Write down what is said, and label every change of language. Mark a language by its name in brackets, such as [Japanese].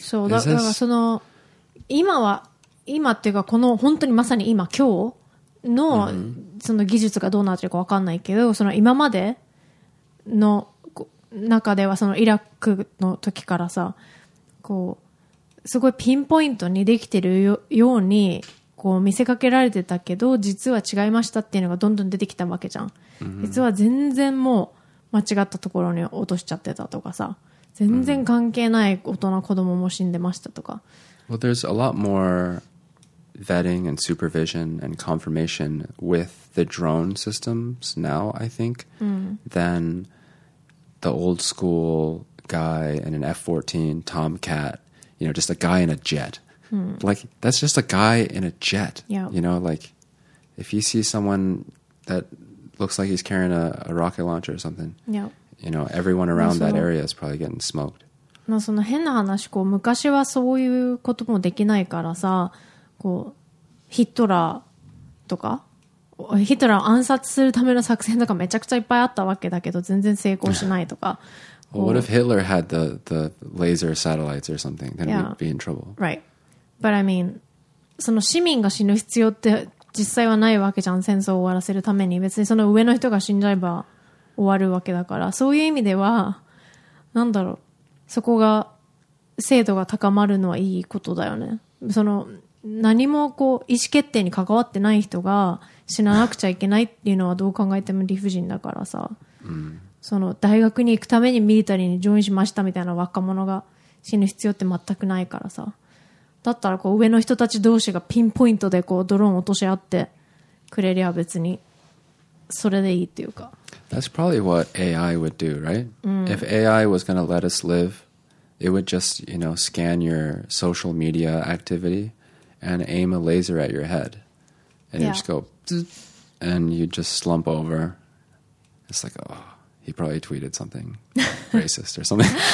[Japanese] そうだからその今は今っていうかこの本当にまさに今今日の、その技術がどうなってるか分かんないけど、その今までの中ではそのイラクの時からさ、こうすごいピンポイントにできてるようにこう見せかけられてたけど、実は違いましたっていうのがどんどん出てきたわけじゃん。実は全然もう間違ったところに落としちゃってたとかさ、全然関係ない大人子供も死んでましたとか。 [English] Well, there's a lot more vetting and supervision and confirmation with the drone systems now, I think, than the old school guy in an F-14 Tomcat, you know, just a guy in a jet. Like, that's just a guy in a jet. Yeah. You know, like, if you see someone that looks like he's carrying a rocket launcher or something, you know, everyone around that area is probably getting smoked. [Japanese] まあ、その変な話、こう、昔はそういうこともできないからさ、こう、ヒトラーとか、ヒトラーを暗殺するための作戦とかめちゃくちゃいっぱいあったわけだけど、全然成功しないとか。 [English] Well, what if Hitler had the laser satellites or something? Then we'd be in trouble. Right. But I mean, [Japanese] その市民が死ぬ必要って実際はないわけじゃん、戦争を終わらせるために。別にその上の人が死んじゃえば終わるわけだから、そういう意味では何だろう、そこが精度が高まるのはいいことだよね。その何もこう意思決定に関わってない人が死ななくちゃいけないっていうのはどう考えても理不尽だからさ、その大学に行くためにミリタリーにジョインしましたみたいな若者が死ぬ必要って全くないからさ。だったらこう上の人たち同士がピンポイントでこうドローン落とし合ってくれりゃ別にそれでいいっていうか。 [English] That's probably what AI would do, right?、うん、 If AI was going to let us live, it would just, you know, scan your social media activity and aim a laser at your head. And、yeah. you just go, and you just slump over. It's like, oh, he probably tweeted something racist or something.